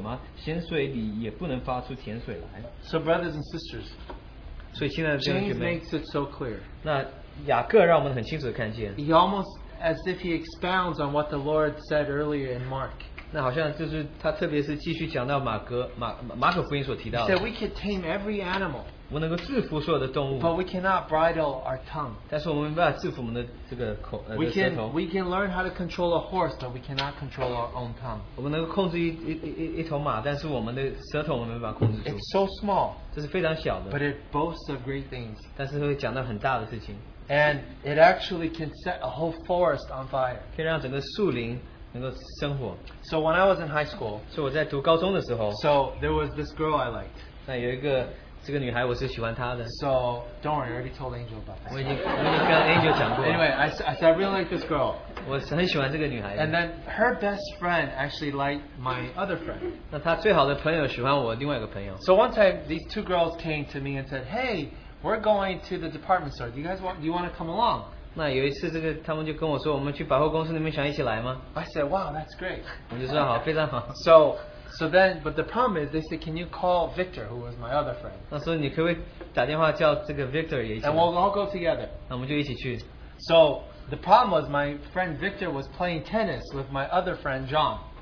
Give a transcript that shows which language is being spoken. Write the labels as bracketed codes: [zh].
[zh] 我的弟兄们，无花果树能生出橄榄树吗？葡萄树能结出无花果吗？咸水里也不能发出甜水来。 [en] So brothers and sisters, [zh] 所以亲爱的弟兄姐妹, [en] James makes it so clear. [zh] 那雅各让我们很清楚地看见, [en] he almost as if he expounds on what the Lord said earlier in Mark. [zh] 那好像就是他特别是继续讲到马可福音所提到的。 [en] He said we can tame every animal, [zh] 我能够制服所有的动物, [en] but we cannot bridle our tongue. [zh] 但是我们没办法制服我们的这个口。 [en] We can learn how to control a horse, but we cannot control our own tongue. [zh] 我们能够控制一头马，但是我们的舌头我们没办法控制住。 [en] It's so small, [zh] 这是非常小的, [en] but it boasts of great things, [zh] 但是会讲到很大的事情。 [en] And it actually can set a whole forest on fire, [zh] 可以让整个树林。 [en] So when I was in high school, so there was this girl I liked. [zh] 那有一个这个女孩，我是喜欢她的。 [en] So don't worry, I already told Angel about this. [zh] 我已经跟 Angel 讲过。 [en] Anyway, I really like this girl. [zh] 我很喜欢这个女孩子。 [en] And then her best friend actually liked my other friend. [zh] 那她最好的朋友喜欢我另外一个朋友。 [en] So one time, these two girls came to me and said, "Hey, we're going to the department store. Do you want to come along?" [zh] 那有一次这个他们就跟我说我们去百货公司那边想一起来吗? [en] I said, wow, that's great. [zh] 我就说好,非常好。 [en] So then, but the problem is, they said, can you call Victor, who was my other friend? [zh] 那说你可不可以打电话叫这个Victor也一起来? [en] And we'll all go together. [zh] 那我们就一起去。 [en] So the problem was, my friend Victor was playing tennis with my other friend John.